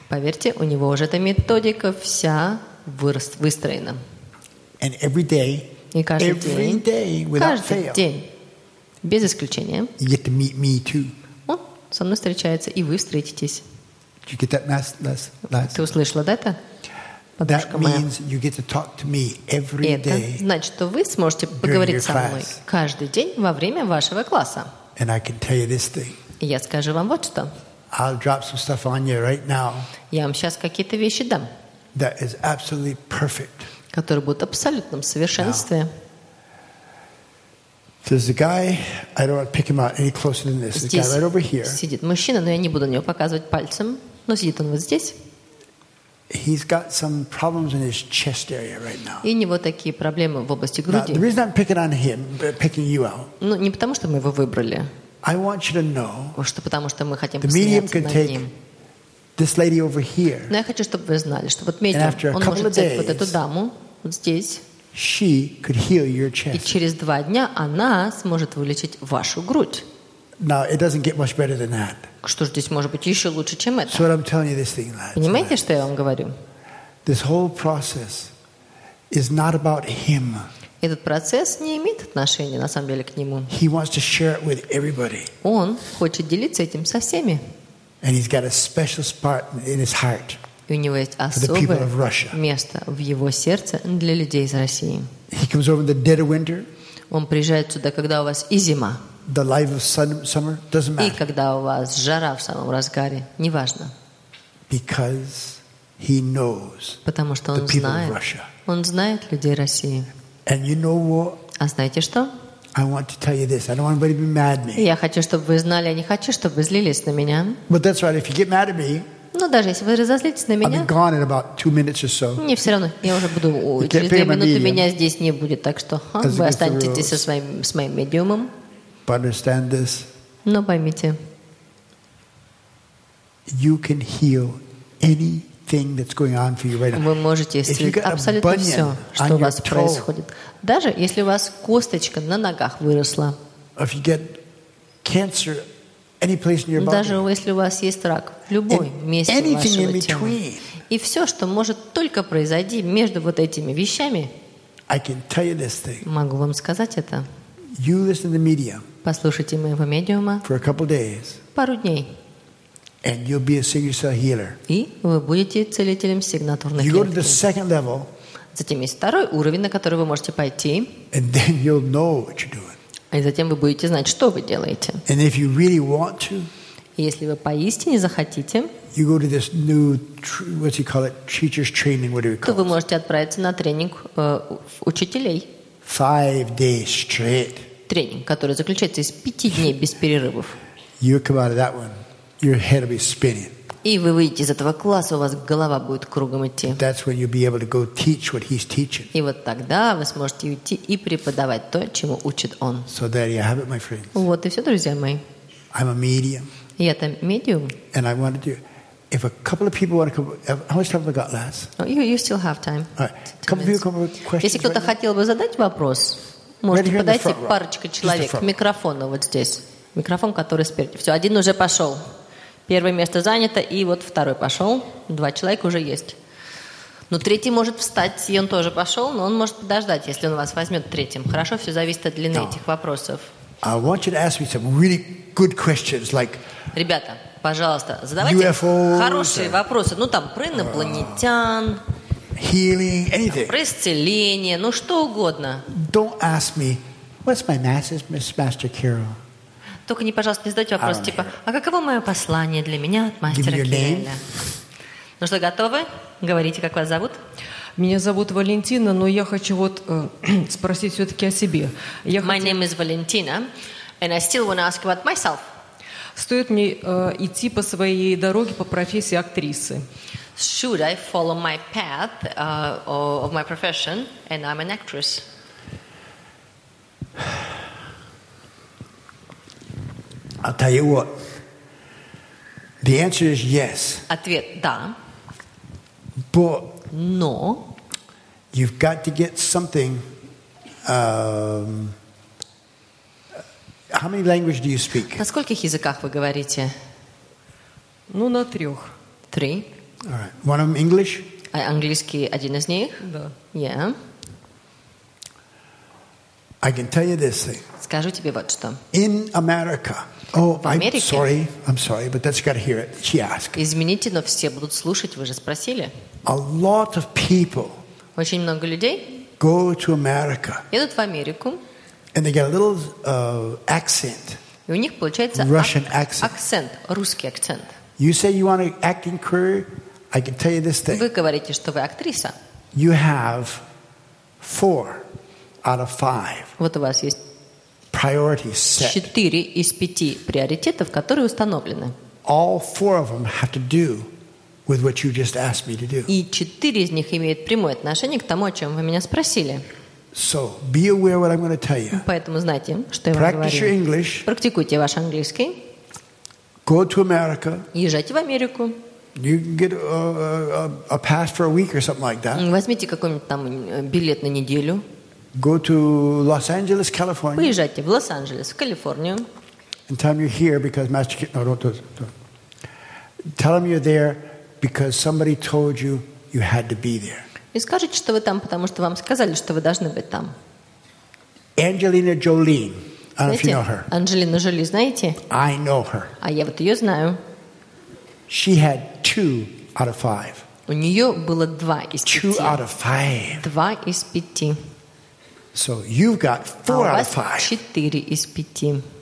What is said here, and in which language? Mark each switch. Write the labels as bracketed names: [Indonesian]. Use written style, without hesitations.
[Russian] Поверьте, у него уже эта методика вся выстроена. [English] And every day, [Russian] и каждый [English] every day without [Russian] каждый [English] fail, [Russian] день, без исключения, [English] you get to meet me too. [Russian] Он со мной встречается, и вы встретитесь. [English] You get that last. [Russian] Ты услышала, да, это? [English] That means you get to talk to me every day. [Russian] Это значит, что вы сможете поговорить со мной каждый день во время вашего класса. [English] And I can tell you this thing. [Russian] Я скажу вам вот что. [English] I'll drop some stuff on you right now. [Russian] Я вам сейчас какие-то вещи дам. [English] That is absolutely perfect. [Russian] Которые будут в абсолютном совершенстве. [English] There's a guy. I don't want to pick him out any closer than this. [Russian] Здесь [English] guy right over here. [Russian] Сидит мужчина, но я не буду на него показывать пальцем. Но сидит он вот здесь. [English] He's got some problems in his chest area right now. [Russian] И у него такие проблемы в области груди. [English] Now, the reason I'm picking on him, picking you out. [Russian] Ну, не потому, что мы его выбрали. [English] I want you to know. [Russian] Что потому, что мы хотим посмеяться над ним. [English] The medium can take this lady over here. [Russian] Но я хочу, чтобы вы знали, что вот медиум, он может взять вот эту даму вот здесь. [English] She could heal your chest. [Russian] И через два дня она сможет вылечить вашу грудь. [English] Now it doesn't get much better than that. [Russian] Что же здесь может быть еще лучше, чем это? [English] So what I'm telling you this thing, lads. [Russian] Понимаете, что я вам говорю? [English] This whole process is not about him. [Russian] Этот процесс не имеет отношения на самом деле к нему. [English] He wants to share it with everybody. [Russian] Он хочет делиться этим со всеми. [English] And he's got a special spot in his heart. [Russian] И у него есть особое место в его сердце для людей из России. [English] He comes over in the dead of winter. [Russian] Он приезжает сюда, когда у вас и зима. [English] The life of summer doesn't matter. [Russian] И когда у вас жара в самом разгаре, неважно. [English] Because he knows. [Russian] Потому что он знает. Он знает людей России. [English] And you know what? [Russian] А знаете что? [English] I want to tell you this. I don't want anybody to be mad at me. [Russian] Я хочу, чтобы вы знали. Я не хочу, чтобы вы злились на меня. [English] But that's right. If you get mad at me. [Russian] Ну даже если вы разозлитесь на меня. [English] I'll be gone in about 2 minutes or so. [Russian] Не все равно. Я уже буду. Через 2 минуты меня здесь не будет, так что вы останетесь со своим медиумом. [English] But understand this. [Russian] Но поймите. [English] You can heal anything that's going on for you right now. [Russian] Вы можете исцелить абсолютно все, что у вас происходит. Даже если у вас косточка на ногах выросла. [English] If you get cancer any place in your body. [Russian] Даже если у вас есть рак в любой месте вашего тела. И все, что может только произойти между вот этими вещами. [English] I can tell you this thing. [Russian] Могу вам сказать это. [English] You listen to the media. [Russian] Послушайте моего медиума [English] for a couple days, [Russian] пару дней. [English] And you'll be a signature healer. [Russian] И вы будете целителем сигнатурных клеток. [English] You go to the second level, [Russian] затем есть второй уровень, на который вы можете пойти. [English] And then you'll know what you're doing. [Russian] И затем вы будете знать, что вы делаете. [English] And if you really want to, [Russian] если вы поистине захотите, [English] you go to this new, what do you call it, teacher's training, whatever you call it. [Russian] Вы можете отправиться на тренинг учителей. [English] 5 days straight. [Russian] Тренинг, который заключается из 5 дней без перерывов. [English] You come out of that one, your head will be spinning. [Russian] И вы выйдете из этого класса, у вас голова будет кругом идти. [English] That's when you'll be able to go teach what he's teaching. [Russian] И вот тогда вы сможете уйти и преподавать то, чему учит он. [English] So there you have it, my friends. [Russian] Вот и все, друзья мои. [English] I'm a medium. [Russian] Я там медиум. [English] And I want to do. If a couple of people want to come, how much time have I got, Lass? Oh, you still have time. All right. Come with questions. [Russian] Если кто-то [English] right [Russian] хотел бы задать вопрос, можете [English] right [Russian] подойти парочка человек к микрофону вот здесь. Микрофон, который спереди. Все, один уже пошел. Первое место занято, и вот второй пошел. 2 человека уже есть. Но третий может встать, и он тоже пошел, но он может подождать, если он вас возьмет третьим. Хорошо, все зависит от длины этих вопросов. [English] I want you to ask me some really good questions, like. [Russian] Ребята, пожалуйста, задавайте [English] UFOs, [Russian] хорошие вопросы. Ну там, про инопланетян. [English] Healing, anything. [Russian] Про исцеление, ну что угодно. [English] Don't ask me, what's my message, Miss Master Carol? [Russian] Только не, пожалуйста, не задайте вопрос типа, а каково мое послание для меня от мастера Кирилла? Ну что, готовы? Говорите, как вас зовут? Меня зовут Валентина, но я хочу вот спросить все-таки о себе. [English] My name is Valentina, and I still want to ask about myself. [Russian] Стоит мне идти по своей дороге по профессии актрисы? [English] Should I follow my path of my profession, and I'm an actress? I'll tell you what. The answer is yes. [Russian] Ответ да. [English] But no. You've got to get something. How many languages do you speak? [Russian] На скольких языках вы говорите? Ну, на трех. Три. [English] All right. One of them English? [Russian] А английский один из них? Да. [English] Yeah. I can tell you this thing. [Russian] Скажу тебе вот что. [English] In America. I'm sorry, but that's got to hear it. She asked. [Russian] Извините, но все будут слушать, вы же спросили. [English] A lot of people. [Russian] Очень много людей. [English] Go to America. [Russian] Едут в Америку. [English] And they get a little accent. [Russian] И у них получается [English] Russian accent. [Russian] Акцент, русский акцент. [English] You say you want an acting career? I can tell you this thing. [Russian] Вы говорите, что вы актриса. [English] You have 4 out of 5. [Russian] Вот у вас есть. [English] Priority set. [Russian] 4 из 5 приоритетов, которые установлены. [English] All 4 of them have to do with what you just asked me to do. [Russian] И 4 из них имеют прямое отношение к тому, о чем вы меня спросили. [English] So be aware what I'm going to tell you. [Russian] Поэтому знайте, что я [English] Practice [Russian] вам говорю. [English] Your English. [Russian] Практикуйте ваш английский. [English] Go to America. [Russian] Езжайте в Америку. [English] You can get a pass for a week or something like that. [Russian] Возьмите какой-нибудь там билет на неделю. [English] Go to Los Angeles, California. [Russian] Поезжайте в Лос-Анджелес, в Калифорнию. [English] And tell them you're here because Master Kit. Tell them you're there because somebody told you you had to be there. [Russian] И скажите, что вы там, потому что вам сказали, что вы должны быть там. [English] Angelina Jolie. I don't know if you know her. [Russian] Анджелина Джоли, знаете? [English] I know her. [Russian] А я вот ее знаю. [English] She had 2 out of 5. [Russian] У нее было 2 из 5. [English] 2 out of 5. [Russian] 2 из 5. [English] So you've got 4 out of 5. [Russian] 4 из 5.